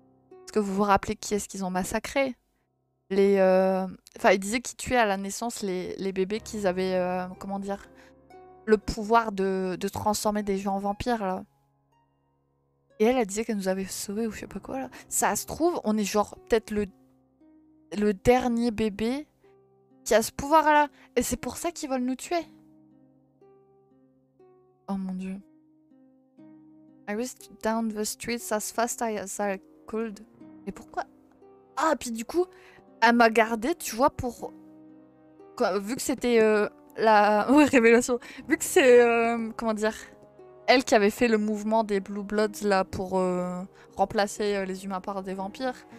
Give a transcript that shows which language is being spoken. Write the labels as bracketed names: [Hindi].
[French] Est-ce que vous vous rappelez qui est-ce qu'ils ont massacré? Les, enfin, ils disaient qu'ils tuaient à la naissance les bébés qu'ils avaient, comment dire, le pouvoir de transformer des gens en vampires, là. Et elle, disait qu'elle nous avait sauvés ou je sais pas quoi, là. Ça se trouve, on est genre peut-être le dernier bébé qui a ce pouvoir-là. Et c'est pour ça qu'ils veulent nous tuer. Oh mon dieu. [English] I raced down the streets as fast as I could. [French] Mais pourquoi? Ah, puis du coup, elle m'a gardé, tu vois, pour... Quoi, vu que c'était la... Ouais, révélation. Vu que c'est... comment dire? Elle qui avait fait le mouvement des Blue Bloods, là, pour remplacer les humains par des vampires.